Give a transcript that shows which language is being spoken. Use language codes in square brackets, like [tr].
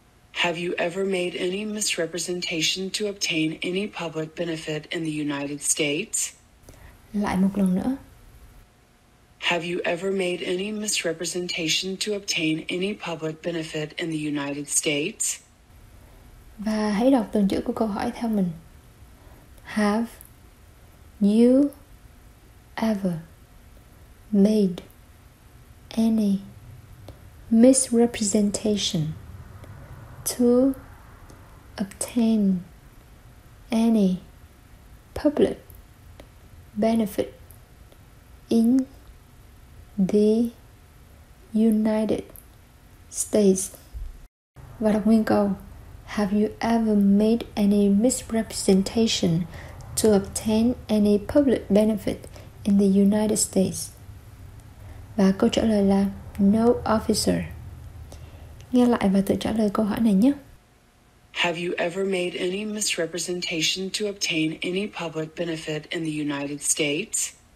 [en] Have you ever made any misrepresentation to obtain any public benefit in the United States? [vi] Lại một lần nữa. [en] Have you ever made any misrepresentation to obtain any public benefit in the United States? [vi] Và hãy đọc từng chữ của câu hỏi theo mình. [en] Have you ever made any misrepresentation to obtain any public benefit in the United States? [vi] Và đọc nguyên câu. [en] Have you ever made any misrepresentation to obtain any public benefit in the United States? [vi] Và câu trả lời là [en] no, officer. [vi] Nghe lại và tự trả lời câu hỏi này nhé. [en] Have you ever made any misrepresentation to obtain any public benefit in the United States?